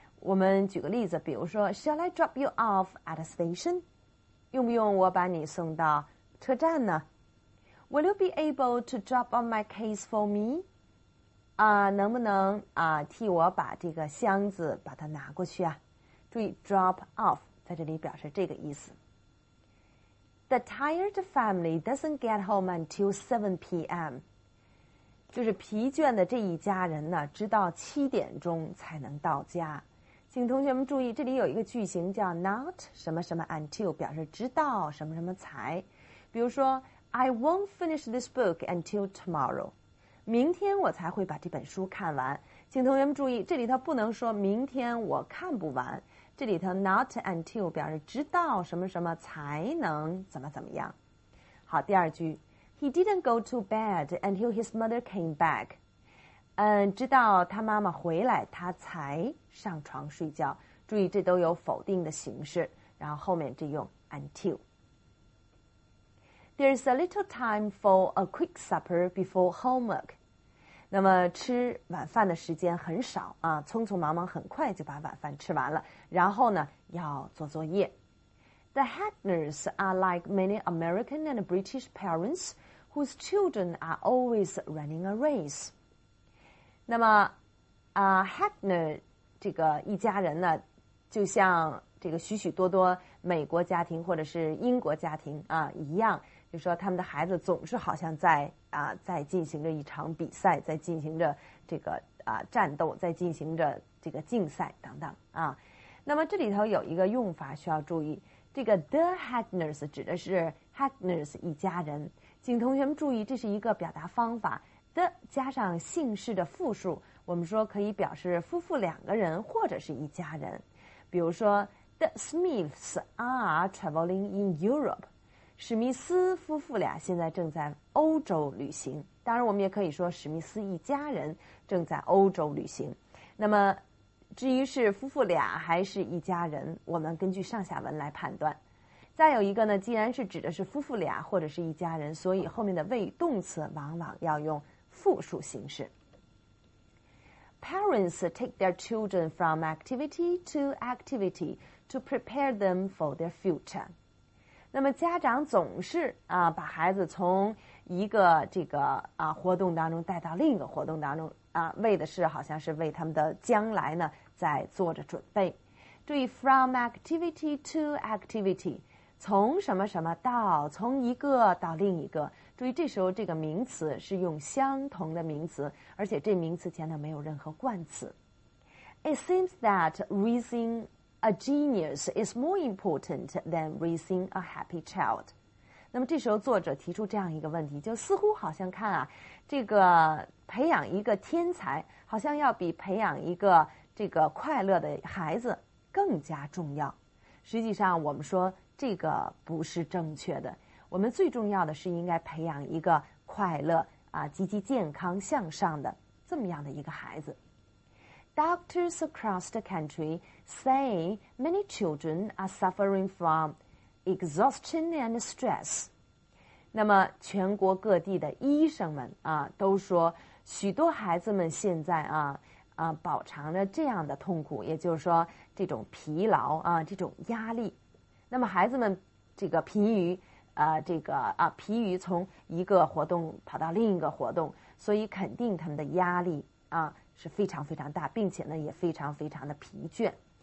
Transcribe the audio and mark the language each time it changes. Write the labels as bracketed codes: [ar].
[zh] 我们举个例子，比如说 [en] shall I drop you off at a station? [zh] 用不用我把你送到车站呢？ [en] Will you be able to drop on my case for me? [zh] 啊，能不能啊替我把这个箱子把它拿过去啊？注意 drop off。在这里表示这个意思。 [en] The tired family doesn't get home until 7 p.m. [zh] 就是疲倦的这一家人呢，直到7点钟才能到家。请同学们注意，这里有一个句型叫 not 什么什么 until， 表示直到什么什么才。比如说 [en] ，I won't finish this book until tomorrow， [zh] 明天我才会把这本书看完。请同学们注意，这里头不能说明天我看不完。这里头 not until 表示直到什么什么才能怎么怎么样。好，第二句 [en] ，He didn't go to bed until his mother came back。 [zh] 直到他妈妈回来，他才上床睡觉。注意，这都有否定的形式，然后后面就用 until。 [en] There's a little time for a quick supper before homework。 [zh] 那么吃晚饭的时间很少啊，匆匆忙忙很快就把晚饭吃完了，然后呢要做作业。 [en] The Hackners are like many American and British parents whose children are always running a race. [zh] 那么Hackner 这个一家人呢，就像这个许许多多美国家庭或者是英国家庭啊一样，就是说他们的孩子总是好像在啊在进行着一场比赛，在进行着这个啊战斗，在进行着这个竞赛等等啊。那么这里头有一个用法需要注意，这个 the Hagners 指的是 Hagners 一家人，请同学们注意，这是一个表达方法， the 加上姓氏的复数，我们说可以表示夫妇两个人或者是一家人。比如说 [en] The Smiths are traveling in Europe， [zh] 史密斯夫妇俩现在正在欧洲旅行。当然我们也可以说史密斯一家人正在欧洲旅行。那么至于是夫妇俩还是一家人，我们根据上下文来判断。再有一个呢，既然是指的是夫妇俩或者是一家人，所以后面的谓动词往往要用复数形式。 [en] Parents take their children from activity to activity to prepare them for their future. [zh] 那么家长总是啊把孩子从一个这个啊活动当中带到另一个活动当中啊，为的是好像是为他们的将来呢在做着准备。注意 [en] from activity to activity， [zh] 从什么什么到，从一个到另一个。注意这时候这个名词是用相同的名词，而且这名词前面没有任何冠词。 [en] It seems that raising a genius is more important than raising a happy child. [zh] 那么这时候作者提出这样一个问题，就似乎好像看啊，这个培养一个天才好像要比培养一个这个快乐的孩子更加重要。实际上我们说这个不是正确的，我们最重要的是应该培养一个快乐啊积极健康向上的这么样的一个孩子。 [en] Doctors across the country say many children are suffering from exhaustion and stress. [zh] 那么全国各地的医生们啊都说许多孩子们现在啊饱尝着这样的痛苦，也就是说这种疲劳啊这种压力。那么孩子们这个疲于疲于从一个活动跑到另一个活动，所以肯定他们的压力啊是非常非常大，并且呢也非常非常的疲倦。